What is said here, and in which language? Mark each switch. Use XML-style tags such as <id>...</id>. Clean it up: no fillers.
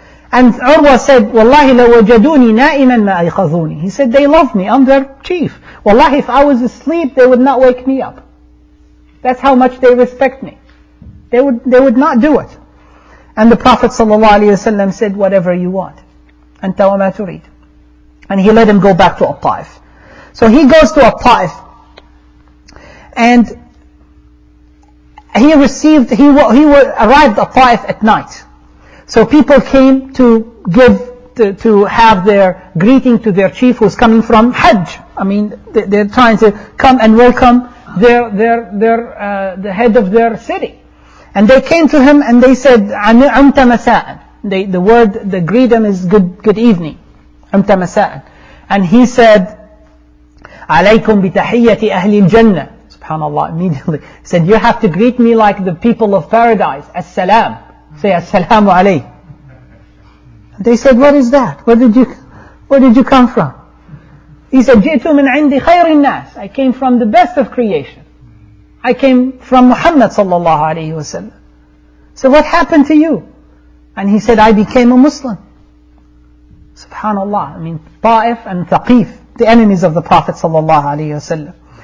<en>And Urwa said,</en> <ar>وَاللَّهِ لَوَجَدُونِي نَائِمًا مَا أَيْخَذُونِي.</ar> <en>He said, they love me, I'm their chief. Wallahi, if I was asleep, they would not wake me up. That's how much they respect me. They would not do it. And the Prophet ﷺ said, whatever you want.</en> <ar>أنت وما تريد.</ar> <en>And he let him go back to At-Ta'if. So he goes to At-Ta'if. And he arrived At-Ta'if at night. So people came to give, to have their greeting to their chief who's coming from Hajj. I mean, they're trying to come and welcome the head of their city. And they came to him and they said,</en> <ar>عَمْتَ مَسَاءً.</ar> <en>The word, the greet him is good evening.</en> <ar>عَمْتَ مَسَاءً.</ar> <en>And he said,</en> <ar>عَلَيْكُمْ بِتَحِيَّةِ أَهْلِ الْجَنَّةِ.</ar> <en>SubhanAllah, immediately. He said, you have to greet me like the people of paradise. As-salam. Say, as-salamu alayh. They said, what is that? Where did you come from? He said, جِئْتُ مِنْ عِنْدِ خَيْرِ النَّاسِ. I came from the best of creation. I came from Muhammad sallallahu alayhi wa sallam. So what happened to you? And he said, I became a Muslim. SubhanAllah. I mean, Ta'if and Thaqif, the enemies of the Prophet sallallahu alayhi wa sallam.</en>